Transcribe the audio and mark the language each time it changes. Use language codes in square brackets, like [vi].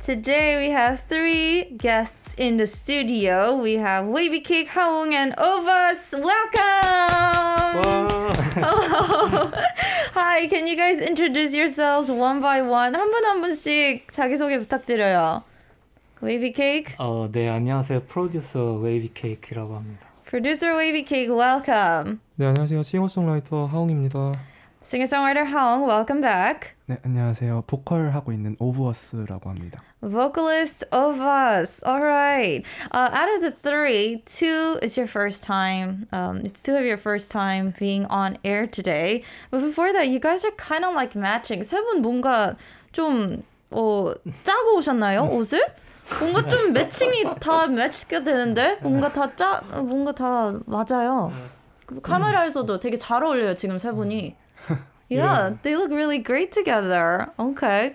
[en] Today we have three guests in the studio. We have Wavy Cake, Haung, and Ovas. Welcome! Wow. Hello! Hi, can you guys introduce yourselves one by one? [ko] 한 분 한 분씩 자기소개 부탁드려요. [en] Wavy Cake? [ko] 네, 안녕하세요. 프로듀서 Wavy Cake이라고 합니다. [en] Producer Wavy Cake, welcome! [ko] 네, 안녕하세요. 싱어송라이터 하웅입니다. [en] Singer-songwriter Haung, welcome back. [ko] 네, 안녕하세요. 보컬 하고 있는 오브어스라고 합니다. [en] Vocalist of us. All right. Out of the three, two is your first time. It's two of your first time being on air today. But before that, you guys are kind of like matching. [ko] 세 분 뭔가 좀 짜고 오셨나요? 옷을? 뭔가 좀 매칭이 다 매치가 되는데 뭔가 다 짜 뭔가 다 맞아요. 카메라에서도 되게 잘 어울려요 지금 세 분이. [en] Yeah, yeah, they look really great together. Okay.